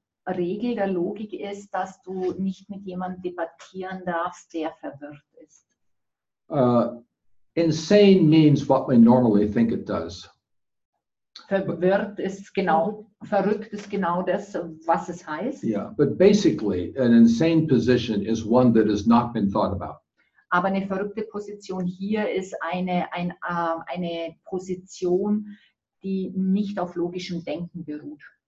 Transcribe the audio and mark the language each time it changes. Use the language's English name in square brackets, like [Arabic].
[German] Regel der Logik ist, dass du nicht mit jemandem debattieren darfst, der verwirrt ist. [English] Insane means what we normally think it does. [German] Verwirrt ist genau, verrückt ist genau das, was es heißt. [English] Yeah, but basically, an insane position is one that has not been thought about. [German] Aber eine verrückte Position hier ist eine Position, die nicht auf logischem Denken beruht.